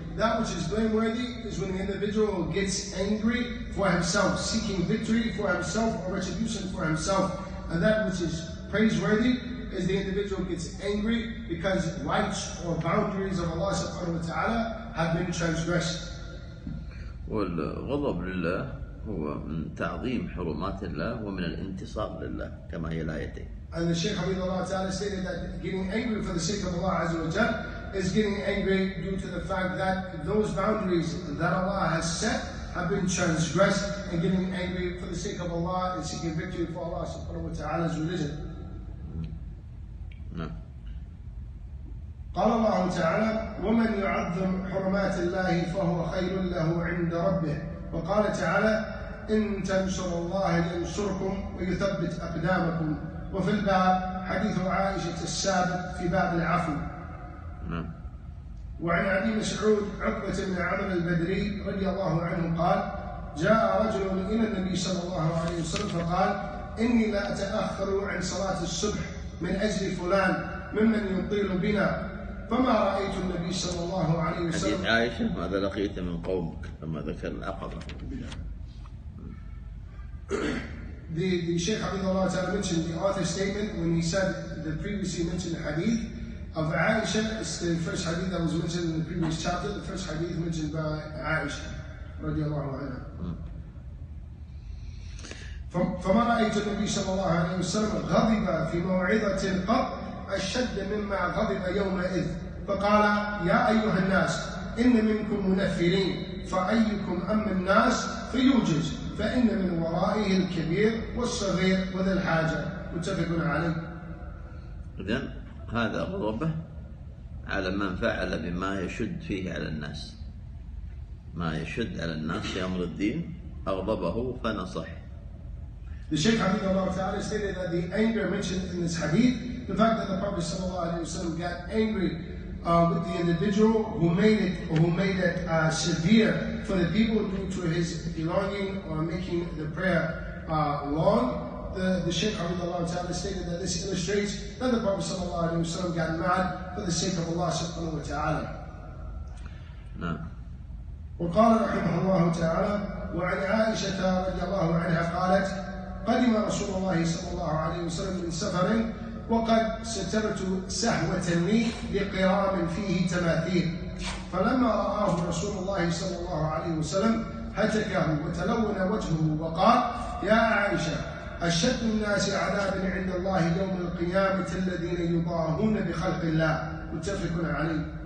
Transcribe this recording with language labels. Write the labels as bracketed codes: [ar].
[en] That which is blameworthy is when the individual gets angry for himself, seeking victory for himself or retribution for himself. And that which is praiseworthy is the individual gets angry because rights or boundaries of Allah subhanahu wa ta'ala have been transgressed. Well, ghadab lillah. [ar] هو من تعظيم حرمات الله ومن الانتصار لله كما هي الآيتين. [en] And the Shaykh Habib Allah Ta'ala stated that getting angry for the sake of Allah Azza wa Jal is getting angry due to the fact that those boundaries that Allah has set have been transgressed, and getting angry for the sake of Allah and seeking victory for Allah Subhanahu wa Ta'ala's religion. No. [ar] قال الله تعالى ومن يعظم حرمات الله فهو خير له عند ربه وقال تعالى إن تنصر الله ينصركم ويثبت أقدامكم وفي الباب حديث عائشة السابق في باب العفو وعن عدي مسعود عقبة بن عمرو البدري رضي الله عنه قال جاء رجل إلى النبي صلى الله عليه وسلم فقال إني لا أتأخر عن صلاة الصبح من أجل فلان ممن يطيل بنا فما رأيت النبي صلى الله عليه وسلم حديث عائشة ماذا لقيت من قومك لما ذكر العقبة [en] The Shaykh Abdullah Ta'ala mentioned the author's statement when he said the previously mentioned hadith of Aisha. It's the first hadith that was mentioned in the previous chapter, the first hadith mentioned by Aisha radiallahu anha. [ar] فما رأيت النبي صلى الله عليه وسلم غضب في موعظة قط أشد مما غضب يومئذ فقال يا أيها الناس إن منكم منفرين فأيكم أما الناس فيوجز فإن من ورائه الكبير والصغير وذا الحاجة متفق عليه إذن هذا غضبه على من فعل بما يشد فيه على الناس ما يشد على الناس في أمر الدين أغضبه فنصح [en] The Shaykh Hafidh Allah Ta'ala stated that the anger mentioned in this hadith, the fact that the Prophet Sallallahu Alaihi Wasallam got angry with the individual who made it severe for the people due to his belonging or making the prayer long. The Shaykh Hafidhullah Ta'ala stated that this illustrates that the Prophet Sallallahu Alaihi Wasallam got mad for the sake of Allah Subhanahu Wa Ta'ala. No. [ar] وقال رحمه الله تعالى وعن عائشة رضي الله عنها قالت قدم رسول الله صلى الله عليه وسلم من سفر وقد سترت سهوة لي بقرام فيه تماثيل فلما رآه رسول الله صلى الله عليه وسلم هتكه وتلون وجهه وقال يا عائشة أشد الناس عذابا عند الله يوم القيامة الذين يضاهون بخلق الله متفق عليه